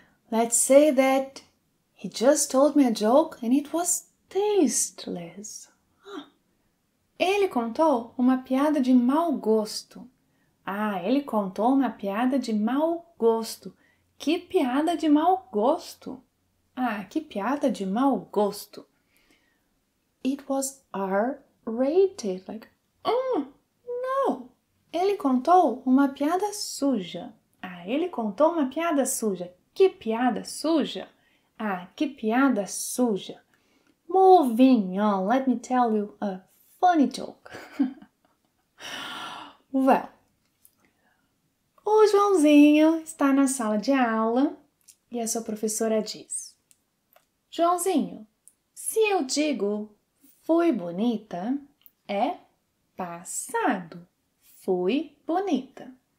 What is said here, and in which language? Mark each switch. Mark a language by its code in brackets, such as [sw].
[en] Let's say that he just told me a joke and it was tasteless. [pt] Ah, ele contou uma piada de mau gosto. Ah, ele contou uma piada de mau gosto. Que piada de mau gosto. Ah, que piada de mau gosto. [en] It was R-rated, like, no. [pt] Ele contou uma piada suja. Ah, ele contou uma piada suja. Que piada suja. Ah, que piada suja. [en] Moving on, let me tell you a funny joke. [pt] Well, o Joãozinho está na sala de aula e a sua professora diz, Joãozinho, se eu digo fui bonita, é passado, fui bonita.